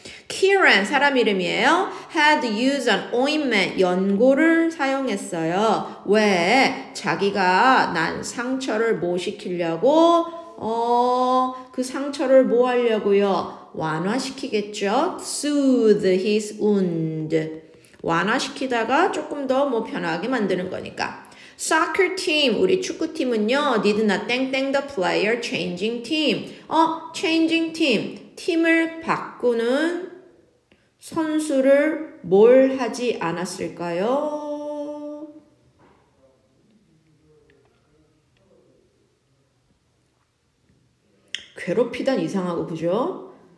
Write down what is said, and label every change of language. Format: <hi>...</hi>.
<ko>Kieran, 사람 이름이에요.</ko> <en>Had used an ointment,</en> <ko>연고를 사용했어요. 왜? 자기가 난 상처를 모시키려고 그 상처를 뭐 하려고요? 완화시키겠죠?</ko> <en>soothe his wound.</en> <ko>완화시키다가 조금 더 뭐 편하게 만드는 거니까.</ko> <en>soccer team,</en> <ko>우리 축구팀은요,</ko> <en>did not thank the player changing team. changing team.</en> <ko>팀을 바꾸는 선수를 뭘 하지 않았을까요? 괴롭히단 이상하고, 그죠?</ko>